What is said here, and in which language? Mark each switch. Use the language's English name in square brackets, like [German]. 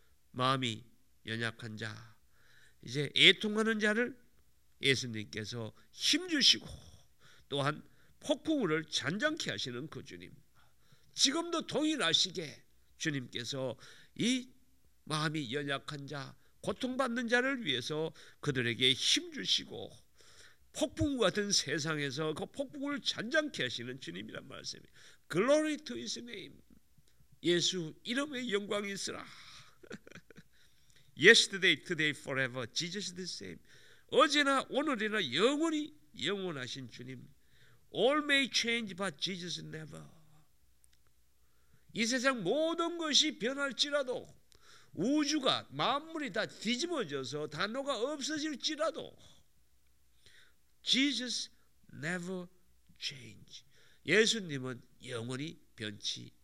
[Korean] 마음이 연약한 자 이제 애통하는 자를 예수님께서 힘주시고 또한 폭풍우를 잔잔케 하시는 그 주님 지금도 동일하시게 주님께서 이 마음이 연약한 자 고통받는 자를 위해서 그들에게 힘주시고 폭풍우 같은 세상에서 그 폭풍을 잔잔케 하시는 주님이란 말씀이에요. [English] Glory to his name. [Korean] 예수 이름의 영광이 있으라. [English] Yesterday, today, forever. Jesus is the same. [Korean] 어제나 오늘이나 영원히 영원하신 주님. [English] All may change but Jesus never. [Korean] 이 세상 모든 것이 변할지라도 우주가 만물이 다 뒤집어져서 단어가 없어질지라도 [English] Jesus never change [Korean] 예수님은 영원히 변치